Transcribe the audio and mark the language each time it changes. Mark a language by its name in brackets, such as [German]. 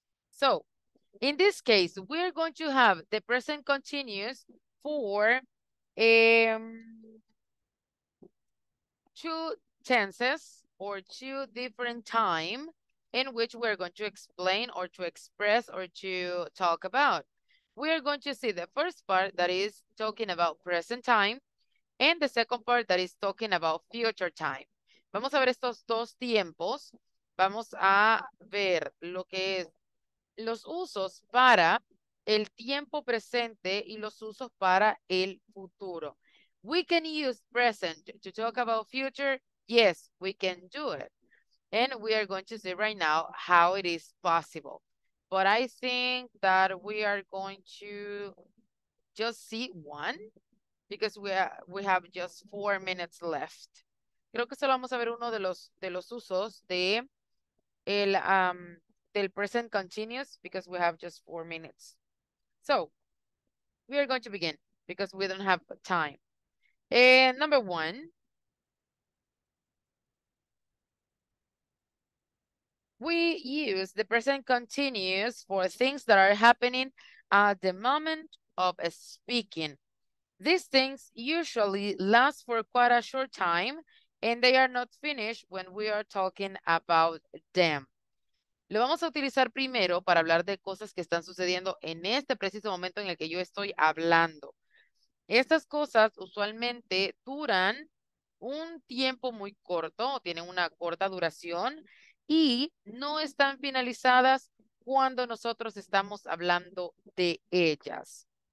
[English] So in this case, we're going to have the present continuous for two tenses or two different time in which we're going to explain or to express or to talk about. We are going to see the first part that is talking about present time and the second part that is talking about future time. [Spanish] Vamos a ver estos dos tiempos. Vamos a ver lo que es los usos para el tiempo presente y los usos para el futuro. [English] We can use present to talk about future. Yes, we can do it. And we are going to see right now how it is possible. But I think that we are going to just see one because we have just 4 minutes left. [Spanish] Creo que solo vamos a ver uno de los usos de el del present continuous [English] because we have just 4 minutes. So we are going to begin because we don't have time. And number one. We use the present continuous for things that are happening at the moment of speaking. These things usually last for quite a short time and they are not finished when we are talking about them. [Spanish] Lo vamos a utilizar primero para hablar de cosas que están sucediendo en este preciso momento en el que yo estoy hablando. Estas cosas usualmente duran un tiempo muy corto, o tienen una corta duración, y no están finalizadas cuando nosotros estamos hablando de ellas.